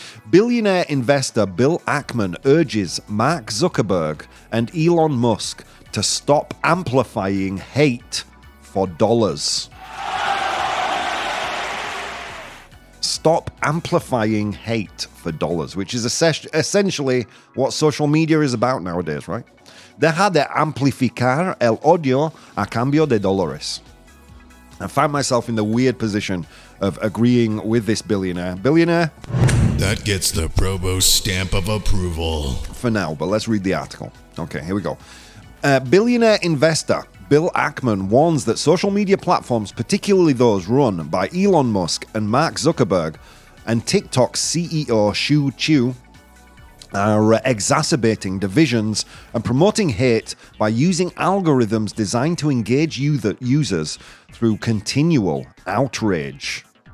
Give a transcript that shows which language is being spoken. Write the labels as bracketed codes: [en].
[en] Billionaire investor Bill Ackman urges Mark Zuckerberg and Elon Musk to stop amplifying hate for dollars. Stop amplifying hate for dollars, which is essentially what social media is about nowadays, right? [es] Deja de amplificar el odio a cambio de dólares. [en] I find myself in the weird position of agreeing with this billionaire. Billionaire? That gets the Probo stamp of approval. For now, but let's read the article. Okay, here we go. Billionaire investor Bill Ackman warns that social media platforms, particularly those run by Elon Musk and Mark Zuckerberg and TikTok CEO Xu Chu, are exacerbating divisions and promoting hate by using algorithms designed to engage users through continual outrage.